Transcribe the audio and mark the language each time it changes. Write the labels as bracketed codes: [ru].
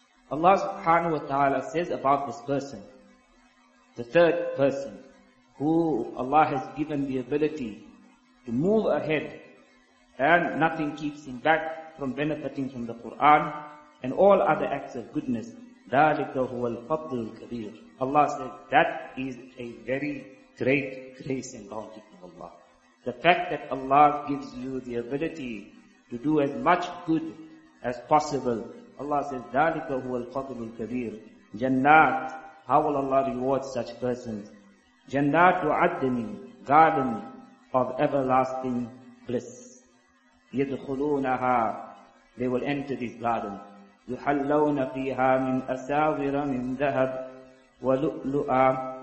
[en] Allah subhanahu wa ta'ala says about this person, the third person, who Allah has given the ability to move ahead and nothing keeps him back from benefiting from the Quran and all other acts of goodness. [ar] ذَلِكَ هُوَ الْفَضْلُ الْكَبِيرُ. [en] Allah says, that is a very great grace and bounty from Allah. The fact that Allah gives you the ability to do as much good as possible. Allah says, [ar] ذَلِكَ هُوَ الْفَضْلُ الْكَبِيرُ. [en] Jannat, how will Allah reward such persons? Jannat [ar] وَعَدْنِ, [en] garden of everlasting bliss. [ar] يَدْخُلُونَهَا, [en] they will enter this garden. [ar] يُحَلَّوْنَ فِيهَا مِنْ أَسَاوِرَ مِنْ ذَهَبٍ وَلُؤْلُؤًا.